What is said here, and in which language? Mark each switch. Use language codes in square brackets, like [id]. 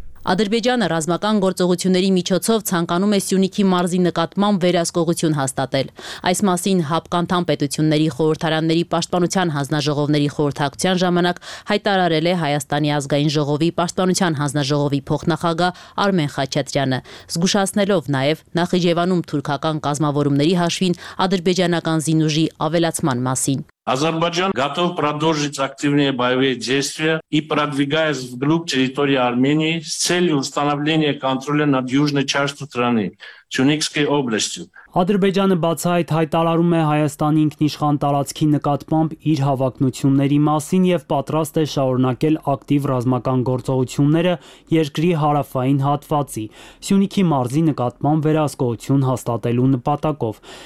[hy] Ադրբեջանը ռազմական գործողությունների միջոցով ցանկանում է Սյունիքի մարզի նկատմամբ վերահսկողություն հաստատել։ Այս մասին Հապկանթան պետությունների խորհրդարանների պաշտպանության հանձնաժողովների խորհրդակցության ժամանակ հայտարարել է Հայաստանի ազգային ժողովի պաշտպանության հանձնաժողովի փոխնախագահ Արմեն Խաչատրյանը, զգուշացնելով նաև Նախիջևանում թուրքական կազմավորումների հաշվին ադրբեջանական զինուժի ավելացման մասին։ [ru] Азербайджан готов продолжить активные боевые действия и продвигаясь вглубь территории Армении с целью установления контроля над южной частью страны, Тюникской областью. [hy] Ադրբեջանը բացահայտ հայտարարում է Հայաստանի ինքնիշխան տարածքի նկատմամբ իր հավակնությունների մասին և պատրաստ է շարունակել ակտիվ ռազմական գործողությունները երկրի հարավային հատվածի, Սյունիքի մարզի նկատմամբ վերահսկողություն հաստատելու նպատակով,